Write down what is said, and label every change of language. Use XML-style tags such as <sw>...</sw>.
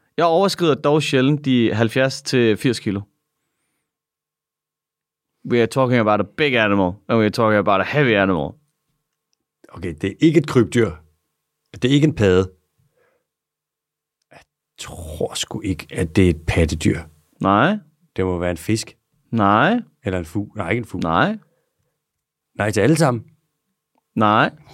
<da>Jeg overskrider dog sjældent de 70-80 kilo.</da> <en>We are talking about a big animal, and we are talking about a heavy animal.</en> <da>Okay, det er ikke et krybdyr. Det er ikke en padde. Jeg tror sgu ikke, at det er et pattedyr. Nej. Det må være en fisk. Nej. Eller en fugl. Nej, ikke en fugl. Nej. Nej til alle sammen. Nej.</da>